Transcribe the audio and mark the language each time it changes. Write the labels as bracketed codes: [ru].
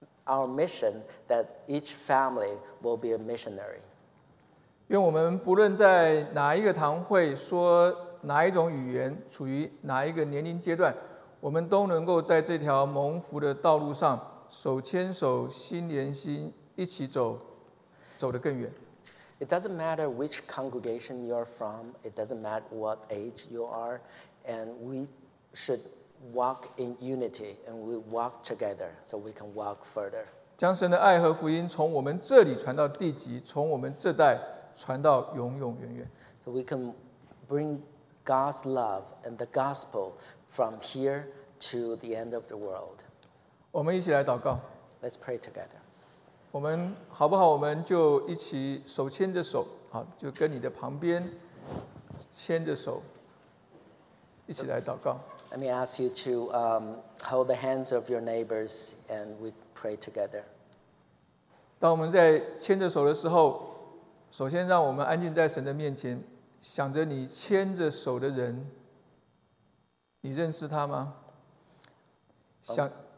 [en] Our mission that each family will be a missionary. [zh] 愿我们不论在哪一个堂会说哪一种语言，处于哪一个年龄阶段，我们都能够在这条蒙福的道路上手牵手、心连心，一起走，走得更远。 [en] It doesn't matter which congregation you are from. It doesn't matter what age you are, and we should. Walk in unity, and we walk together, so we can walk further. [zh] 将神的爱和福音从我们这里传到地极，从我们这代传到永永远远。 [en] So we can bring God's love and the gospel from here to the end of the world. [zh] 我们一起来祷告。 [en] Let's pray together. [zh] 我们好不好？我们就一起手牵着手，好，就跟你的旁边牵着手，一起来祷告。 [en] Let me ask you to hold the hands of your neighbors and we pray together. [zh] 当我们在牵着手的时候，首先让我们安静在神的面前，想着你牵着手的人，你认识他吗？想